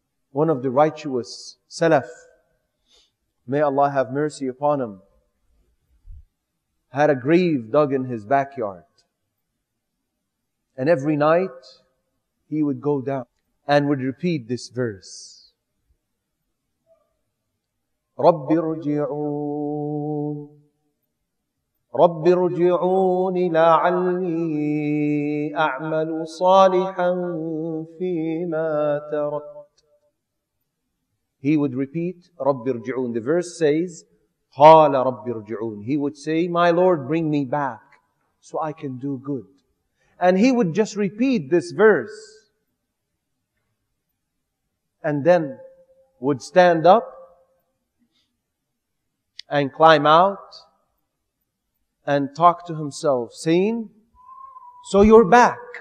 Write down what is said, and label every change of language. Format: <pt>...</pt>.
<en>One of the righteous Salaf, may Allah have mercy upon him, had a grave dug in his backyard. And every night he would go down and would repeat this verse.</en> <ar>رَبِّ رُجِعُونَ رب ارجعون لعلي أعمل صالحا فيما تركت.</ar> <en>He would repeat</en> <ar>رب ارجعون.</ar> <en>The verse says</en> <ar>قال رب ارجعون.</ar> <en>He would say, my Lord, bring me back so I can do good. And he would just repeat this verse and then would stand up and climb out and talk to himself, saying, so you're back.</en>